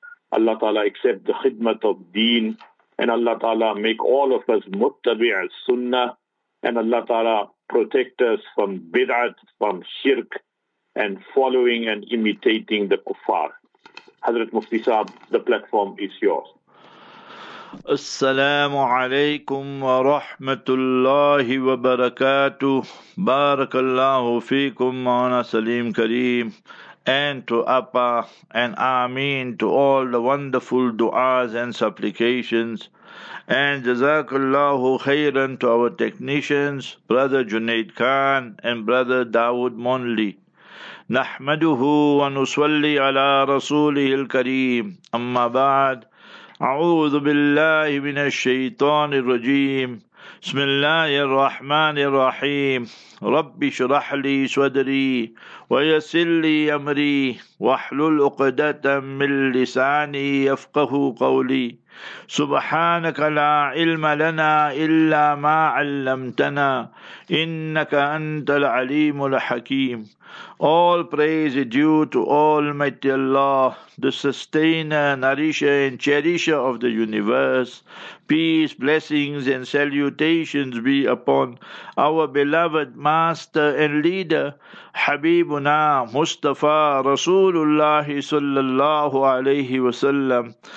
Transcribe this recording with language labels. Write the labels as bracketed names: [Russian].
[English] Allah Ta'ala accept the khidmat of Deen and Allah Ta'ala make all of us Muttabi' Sunnah and Allah Ta'ala protect us from Bid'at, from Shirk and following and imitating the Kuffar. Hazrat Mufti Sahib, the platform is yours. [Arabic] السلام عليكم ورحمة الله وبركاته. بارك الله فيكم [English] مولانا سليم كريم and to Appa and Ameen to all the wonderful du'as and supplications and Jazakallahu khayran to our technicians Brother Junaid Khan and Brother Dawood Monley. [Arabic] نحمده ونصلي على رسوله الكريم أما بعد. أعوذ بالله من الشيطان الرجيم بسم الله الرحمن الرحيم رب اشرح لي صدري ويسر لي أمري واحلل عقدة من لساني يفقه قولي سبحانك لا علم لنا إلا ما علمتنا إنك أنت العليم الحكيم. [English] All praise is due to Almighty Allah, the sustainer, nourisher and cherisher of the universe. Peace, blessings and salutations be upon our beloved master and leader Habibuna Mustafa Rasulullah sallallahu alayhi wa sallam.